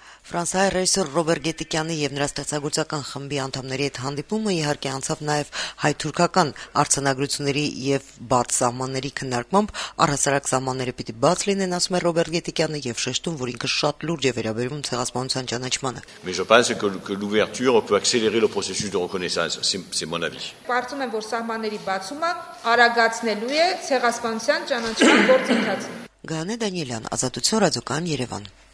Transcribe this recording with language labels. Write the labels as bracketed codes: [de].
[hy] Ֆրանսահայ ռեժիսոր Ռոբեր Գետիկյանի և նրա ստեղծագործական խմբի անդամների հետ հանդիպումը իհարկե անցավ նաև հայ-թուրքական արցանագրությունների և բաց սահմանների քննարկմամբ, առհասարակ սահմանները պիտի բաց լինեն, ասում է Ռոբեր Գետիկյանը, և շեշտում, որ ինքը շատ լուրջ է վերաբերվում ցեղասպանության ճանաչմանը։ [fr] Mais je pense que l'ouverture peut accélérer le processus de reconnaissance, c'est mon avis. [hy] Պարզվում է, որ սահմանների բացումը արագացնելու է ցեղասպանության ճանաչման գործընթացը։ Գանե Դանիելյան, Ազատություն ռադիոկան, Երևան։